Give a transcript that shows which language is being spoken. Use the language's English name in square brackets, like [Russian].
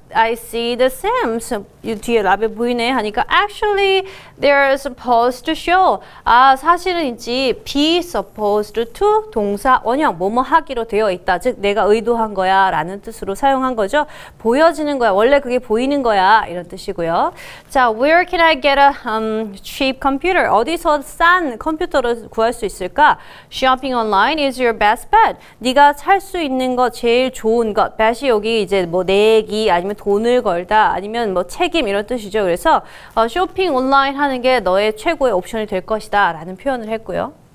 [English] I see the seams. [Korean] 뒤에 라벨 보이네 하니까 [English] actually they're supposed to show. [Korean] 아, 사실은 있지. [English] be supposed to [Korean] 동사 원형 뭐뭐 하기로 되어 있다. 즉 내가 의도한 거야 라는 뜻으로 사용한 거죠. 보여지는 거야. 원래 그게 보이는 거야 이런 뜻이고요. [English] 자, where can I get a cheap computer? [Korean] 어디서 싼 컴퓨터를 구할 수 있을까? [English] Shopping online is your best bet. [Korean] 네가 살 수 있는 거 제일 좋은 것. bet이 여기 이제 뭐 내기 아니면 돈을 걸다 아니면 뭐 책임 이런 뜻이죠. 그래서 쇼핑 온라인 하는 게 너의 최고의 옵션이 될 것이다 라는 표현을 했고요.